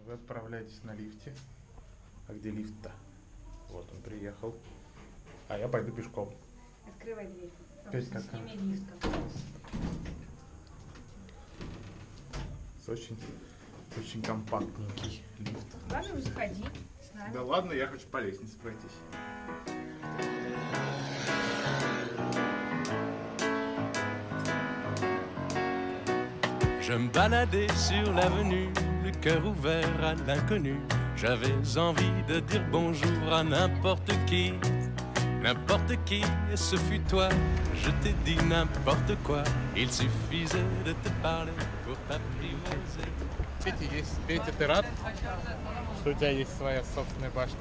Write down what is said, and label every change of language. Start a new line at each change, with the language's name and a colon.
Russian: Вы отправляетесь на лифте. А где лифт-то? Вот он приехал. А я пойду пешком. Открывай дверь. Петь, как? Сними лифт. С очень, очень компактненький лифт. Ладно, заходи с нами. Да ладно, я хочу по лестнице пройтись.
French: Je me baladais sur l'avenue, le cœur ouvert à l'inconnu. J'avais envie de dire bonjour à n'importe qui, et ce fut toi. Je t'ai dit n'importe quoi, il suffisait de te parler pour t'apprivoiser.
Russian: Петя, ты рад, что у тебя есть своя собственная башня?